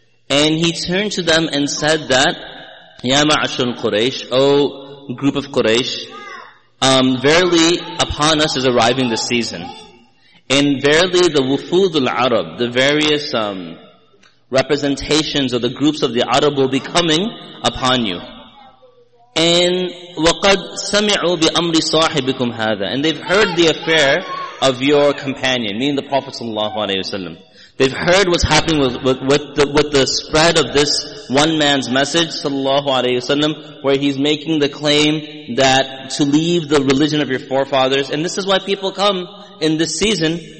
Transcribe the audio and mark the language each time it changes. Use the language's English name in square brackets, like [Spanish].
[English] And he turned to them and said that, [Arabic] Ya ma'ashr al-Quraysh, [English] O group of Quraysh, verily upon us is arriving the season. And verily the wufud al-Arab, the various representations of the groups of the Arab will be coming upon you. And [Arabic] وَقَدْ سَمِعُوا بِأَمْرِ صَاحِبِكُمْ هَذَا. [English] And they've heard the affair of your companion, meaning the Prophet sallallahu alaihi wasallam. They've heard what's happening with the spread of this one man's message, sallallahu alaihi wasallam, where he's making the claim that to leave the religion of your forefathers, and this is why people come in this season.